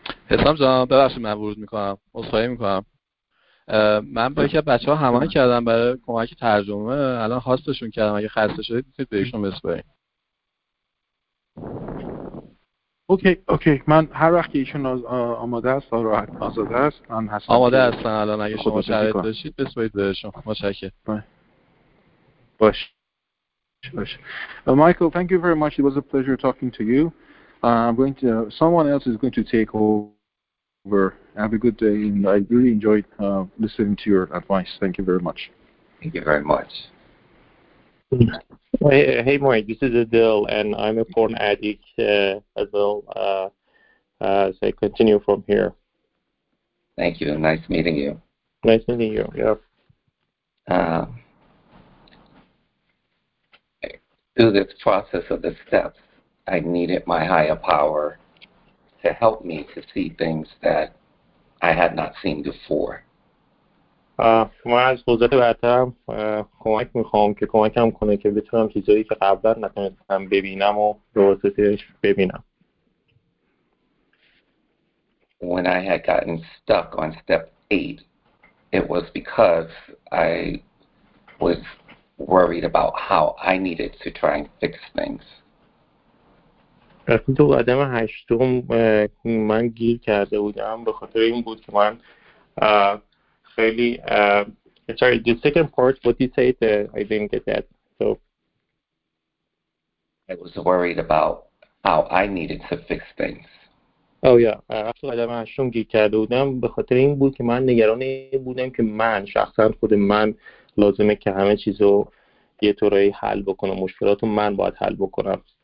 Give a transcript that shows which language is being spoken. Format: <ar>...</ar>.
<fa>حسام جان ببخشید من ورود میکنم، عذرخواهی میکنم. من با یکی از بچه ها همانه کردم برای کمک ترجمه، الان هاستشون کردم، اگه خسته شدید میتونید بهشون بسپارید. اوکی من هر وقت که ایشون آماده است و راحت آزاده است من هستم. آماده هستن الان، اگه شما شرایط داشتید بسپارید بهشون. متشکرم. باش.</fa> <en>Michael thank you very much, it was a pleasure talking to you. Someone else is going to take over. Have a good day, and I really enjoyed listening to your advice. Thank you very much. Thank you very much. Hey, Mike, this is Adil, and I'm a porn addict as well. So I continue from here. Thank you. Nice meeting you. Nice meeting you, yeah. Through this process of the steps, I needed my higher power to help me to see things that I had not seen before.</en> <fa>من از حضرت وقتم کمک میخوام که کمکم کنه که بتونم چیزایی که قبلا نتونستم ببینم و به واسطش ببینم.</fa> <en>When I had gotten stuck on step 8, it was because I was worried about how I needed to try and fix things.</en> <fa>وقتی تو قدم هشتم من گیر کرده بودم به خاطر این بود که من خیلی</fa> <en>sorry, the second part, what you said, I didn't get that. So I was worried about how I needed to fix things. Oh yeah,</en> <fa>وقتی قدم هشتم گیر کرده بودم به خاطر این بود که من نگران بودم که من شخصا خود من لازمه که همه چیزو یه طوری حل بکنم، مشکلاتو من باید حل بکنم.</fa>